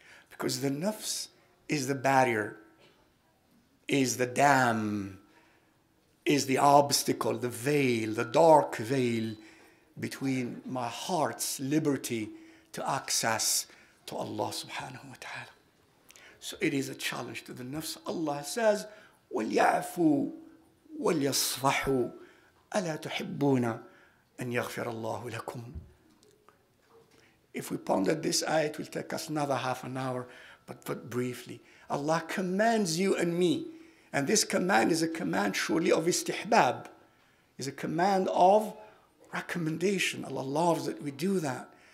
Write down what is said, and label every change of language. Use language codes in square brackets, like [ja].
[en] Because the nafs is the barrier, is the dam, is the obstacle, the veil, the dark veil between my heart's liberty to access to Allah subhanahu wa ta'ala. So it is a challenge to the nafs. Allah says, [ar] وَلْيَعْفُوا وَلْيَصْفَحُوا أَلَا تُحِبُّونَ أَنْ يَغْفِرَ اللَّهُ لَكُمْ. [en] If we ponder this ayah, it will take us another half an hour, but briefly. Allah commands you and me, and this command is a command surely of istihbab, is a command of recommendation. Allah loves that we do that.